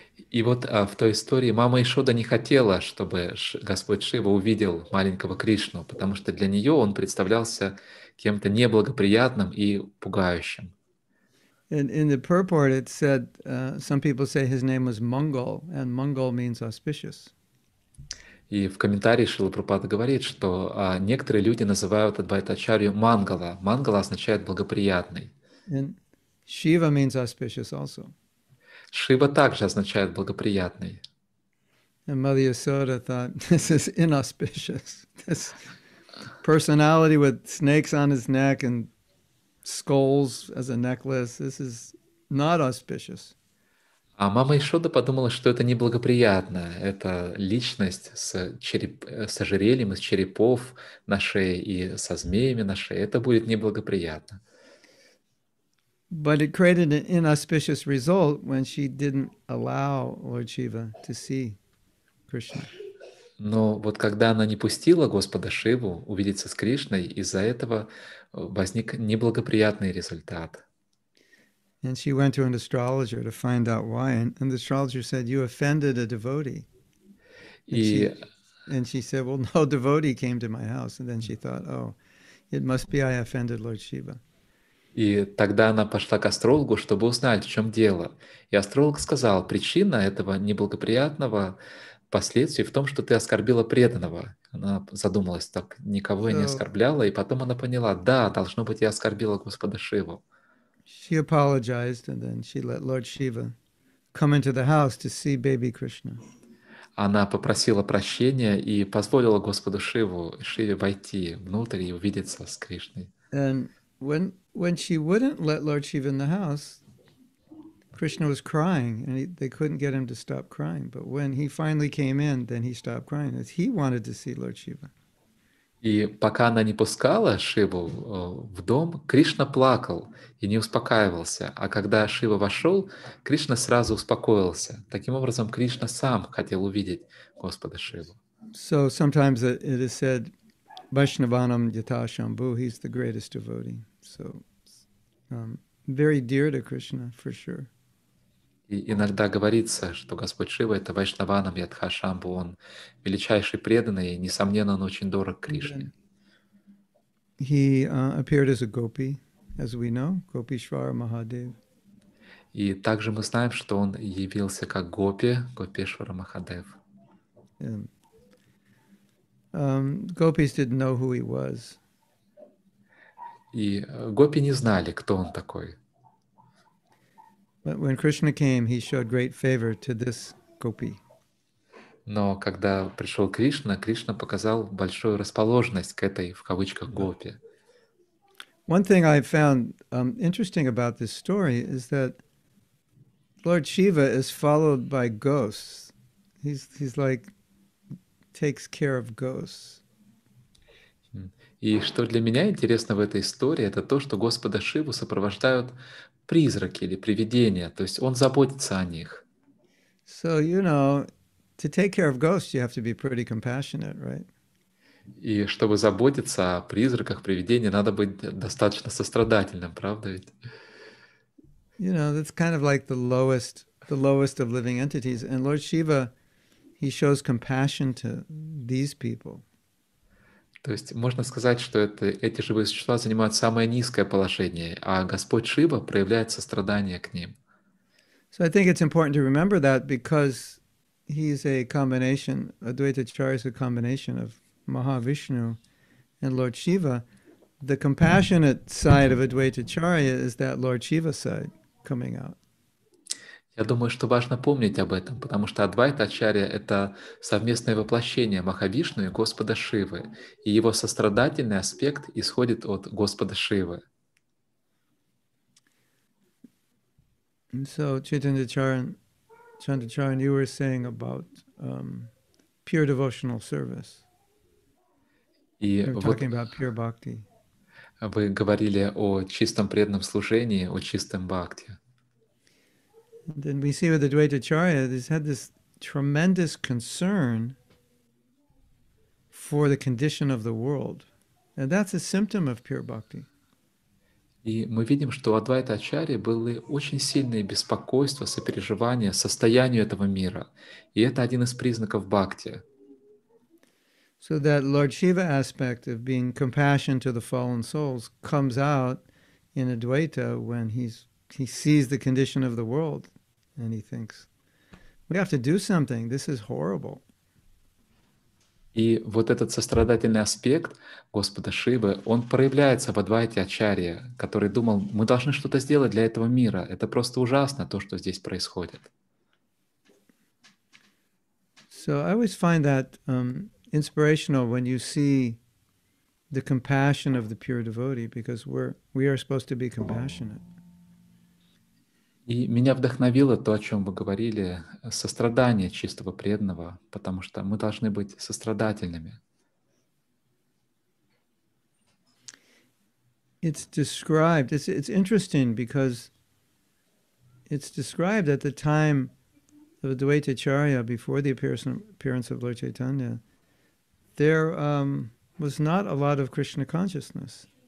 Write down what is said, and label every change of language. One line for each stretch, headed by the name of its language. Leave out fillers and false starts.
Russian: И вот в той истории мама Ясода не хотела, чтобы Господь Шива увидел маленького Кришну, потому что для нее он представлялся кем-то неблагоприятным и пугающим.
English: In the purport it said, some people say his name was Mangal, and Mangal means auspicious.
Russian: И в комментарии Шрила Прабхупада говорит, что некоторые люди называют Адвайта Ачарью Мангала. Мангала означает благоприятный.
English: And Shiva means auspicious also.
Russian: Шива также означает благоприятный.
English: And Mother Yasoda thought, this is inauspicious. This personality with snakes on his neck and skulls as a necklace, this is not auspicious.
Russian: А мама Ясода подумала, что это неблагоприятно. Это личность с ожерельем из черепов на шее и со змеями на шее. Это будет неблагоприятно.
English: But it created an inauspicious result when she didn't allow Lord Shiva to see Krishna.
Russian: Но вот когда она не пустила Господа Шиву увидеться с Кришной, из-за этого возник неблагоприятный результат.
English: And she went to an astrologer to find out why, and the astrologer said, "You offended a devotee." And she said, "Well, no devotee came to my house." And then she thought, "Oh, it must be I offended Lord Shiva."
Russian: И тогда она пошла к астрологу, чтобы узнать, в чем дело. И астролог сказал, причина этого неблагоприятного последствия в том, что ты оскорбила преданного. Она задумалась, так никого я не оскорбляла. И потом она поняла, да, должно быть, я оскорбила Господа Шиву.
English: She apologized, and then she let Lord Shiva come into the house to see baby Krishna.
Russian: Она попросила прощения и позволила Господу Шиве войти внутрь и увидеться с Кришной.
English: And when she wouldn't let Lord Shiva in the house, Krishna was crying, and they couldn't get him to stop crying. But when he finally came in, then he stopped crying, as he wanted to see Lord Shiva.
Russian: И пока она не пускала Шиву в дом, Кришна плакал и не успокаивался. А когда Шива вошел, Кришна сразу успокоился. Таким образом, Кришна сам хотел увидеть Господа Шиву.
English: So sometimes it is said,
Sanskrit: Vaishnavanam yata shambhu,
English: he's the greatest devotee. So, very dear to Krishna, for sure.
Russian: И иногда говорится, что Господь Шива — это
Sanskrit: Вайшнаванам Ядха Шамбу,
Russian: он величайший преданный, и, несомненно, он очень дорог Кришне.
English: He appeared as a gopi, as we know, Gopishvara Mahadev.
Russian: И также мы знаем, что он явился как гопи, Гопишвара Махадев.
English: Gopis didn't know who he was.
Russian: И гопи не знали, кто он такой.
English: But when Krishna came, he showed great favor to this gopi.
Russian: Но когда пришел Кришна, Кришна показал большую расположенность к этой, в кавычках, гопи.
English: One thing I found interesting about this story is that Lord Shiva is followed by ghosts. He's like takes care of ghosts.
Russian: И что для меня интересно в этой истории, это то, что Господа Шиву сопровождают призраки или привидения, то есть он заботится о них.
English: So, you know, to take care of ghosts, you have to be pretty compassionate, right?
Russian: И чтобы заботиться о призраках, привидениях, надо быть достаточно сострадательным, правда ведь?
English: You know, that's kind of like the lowest of living entities. And Lord Shiva, he shows compassion to these people.
Russian: То есть можно сказать, что это, эти живые существа занимают самое низкое положение, а Господь Шива проявляет сострадание к ним.
English: So I think it's important to remember that because he's a combination, Advaita Acharya is a combination of Mahavishnu and Lord Shiva. The compassionate side of Advaita Acharya is that Lord Shiva side coming out.
Russian: Я думаю, что важно помнить об этом, потому что Адвайта Ачарья — это совместное воплощение Махавишну и Господа Шивы, и его сострадательный аспект исходит от Господа Шивы.
English: So, Chaitanya Charan, you were saying about pure devotional service. You're talking about pure bhakti.
Russian: Вы говорили о чистом преданном служении, о чистом бхакти.
English: And then we see with Advaita Acharya, he's had this tremendous concern for the condition of the world. And that's a symptom of pure bhakti.
Russian: И мы видим, что у Адвайта Ачарьи были очень сильные беспокойства, сопереживания состоянию этого мира. И это один из признаков бхакти.
English: So that Lord Shiva aspect of being compassion to the fallen souls comes out in Advaita when he sees the condition of the world. And he thinks, we have to do something. This is horrible.
Russian: И вот этот сострадательный аспект Господа Шивы, он проявляется в Адвайте Ачарье, который думал, мы должны что-то сделать для этого мира. Это просто ужасно, то, что здесь происходит.
English: So I always find that inspirational when you see the compassion of the pure devotee, because we are supposed to be compassionate.
Russian: И меня вдохновило то, о чем вы говорили, сострадание чистого преданного, потому что мы должны быть сострадательными.
English: It's interesting because it's described at the time of Advaita Acharya, before the appearance of Lord Chaitanya, there was not a lot of Krishna consciousness.